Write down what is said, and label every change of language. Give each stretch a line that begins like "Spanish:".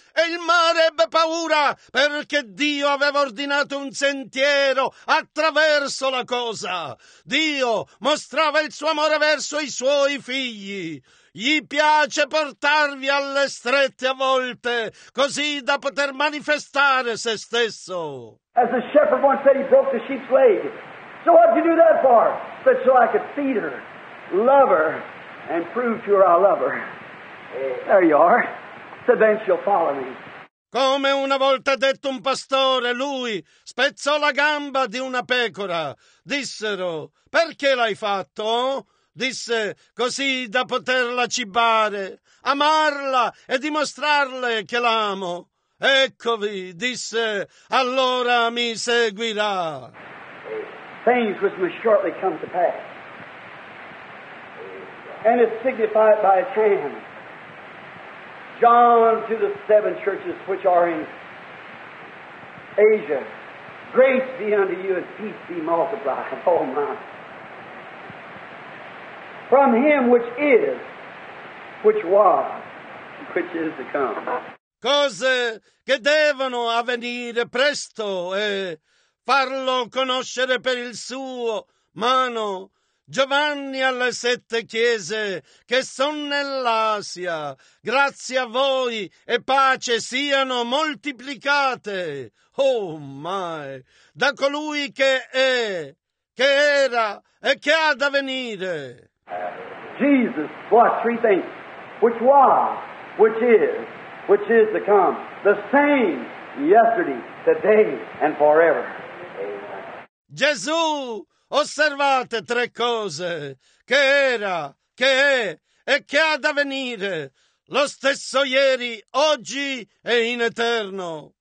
Italian: E il mare ebbe paura perché Dio aveva ordinato un sentiero attraverso la cosa. Dio mostrava il suo amore verso i suoi figli. Gli piace portarvi alle strette a volte, così da poter manifestare se stesso.
English: As the shepherd once said, he broke the sheep's leg. So what did you do that for? But so I could feed her, love her, and prove to her I love her. There you are. So then she'll follow me.
Italian: Come una volta ha detto un pastore, lui spezzò la gamba di una pecora. Dissero: perché l'hai fatto? Disse: così da poterla cibare, amarla e dimostrarle che l'amo. Eccovi, disse, allora mi seguirà.
English: Things which must shortly come to pass. And it's signified by a chain. John to the 7 churches which are in Asia. Grace be unto you and peace be multiplied. Oh my. From him which is, which was, which is to come.
Italian: Cose che devono avvenire presto e farlo conoscere per il suo mano. Giovanni alle 7 chiese che sono nell'Asia. Grazie a voi e pace siano moltiplicate.
English: Oh my!
Italian: Da colui che è, che era e che ha da venire.
English: Jesus, what, 3 things, which was, which is to come, the same yesterday, today, and forever.
Italian: Gesù, osservate 3 cose, che era, che è e che ha da venire, lo stesso ieri, oggi e in eterno.